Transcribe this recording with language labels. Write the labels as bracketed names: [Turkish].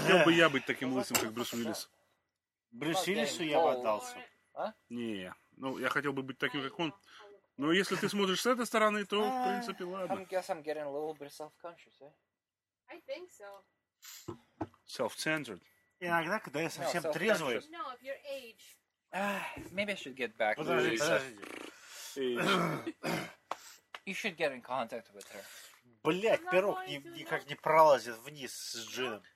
[Russian] Хотел бы я быть таким лысым, как Брюс Уиллис. Брюс Уиллису я бы отдался. Не, ну я хотел бы быть таким, как он. Но если ты смотришь с этой стороны, то, в принципе, ладно. [English] I guess I'm getting a little bit self-conscious, eh? I think so. Self-centered. [Russian] Иногда, когда я совсем трезвый... [English] No, of your age. Maybe I should get back. [Russian] Подожди. [English] You should get in contact with her. [Russian] Блять, пирог не, никак не пролазит вниз с джином.